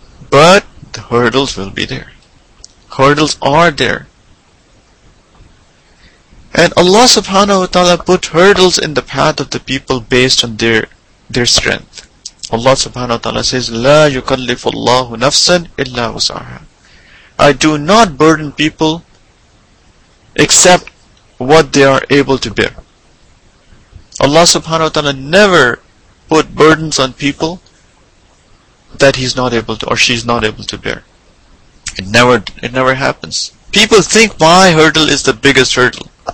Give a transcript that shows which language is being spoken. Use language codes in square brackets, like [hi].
[en] But the hurdles will be there. Hurdles are there. And Allah [ar] subhanahu wa ta'ala [en] put hurdles in the path of the people based on their strength. Allah subhanahu wa ta'ala says, [ar] لَا يُكَلِّفُ اللَّهُ نَفْسًا إِلَّا وُسْعَهَا. [en] I do not burden people except what they are able to bear. Allah [ar] subhanahu wa ta'ala [en] never put burdens on people that he's not able to or she's not able to bear. It never happens. People think my hurdle is the biggest hurdle.